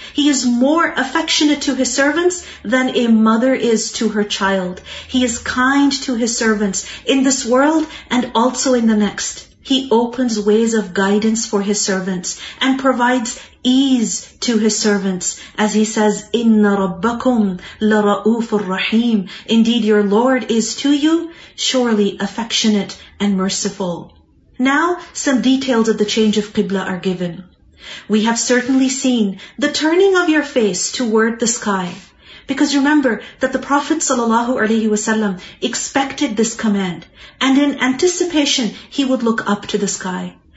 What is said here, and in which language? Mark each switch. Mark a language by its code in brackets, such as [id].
[en] He is more affectionate to His servants than a mother is to her child. He is kind to His servants in this world and also in the next. He opens ways of guidance for His servants and provides ease to His servants. As He says, [ar] إِنَّ رَبَّكُمْ لَرَؤُوفٌ رَّحِيمٌ. [en] Indeed, your Lord is to you surely affectionate and merciful. Now, some details of the change of Qibla are given. We have certainly seen the turning of your face toward the sky. Because remember that the Prophet ﷺ expected this command, and in anticipation, he would look up to the sky.